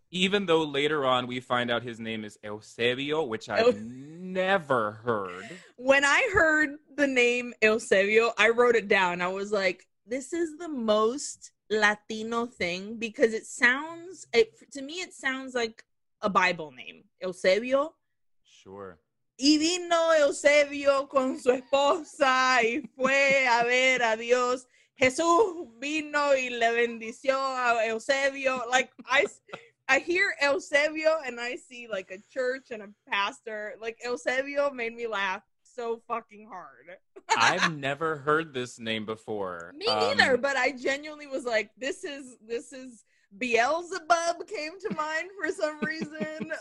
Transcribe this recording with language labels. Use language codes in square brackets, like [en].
[en] Even though later on we find out his name is Eusebio, which I've never heard. When I heard the name Eusebio, I wrote it down. I was like, this is the most Latino thing, because it sounds like a Bible name. Eusebio. Sure. [es] Y vino Eusebio con su esposa y fue a ver a Dios. Jesús vino y le bendició a Eusebio. [en] Like, I hear Eusebio and I see, like, a church and a pastor. Like, Eusebio made me laugh so fucking hard. I've never heard this name before. Me neither, but I genuinely was like, this is Beelzebub came to mind for some reason.